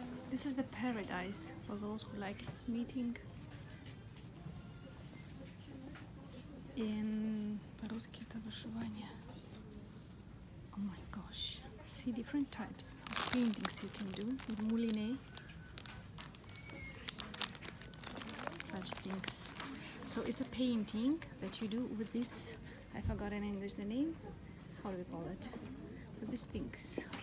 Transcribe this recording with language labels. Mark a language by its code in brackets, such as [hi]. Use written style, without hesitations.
[en] This is the paradise for those who like knitting. [ru] In по-русски это вышивание. [en] Oh my gosh! See different types of paintings you can do with moulinet. Such things. So it's a painting that you do with this. I forgot in English the name. How do we call it? These things.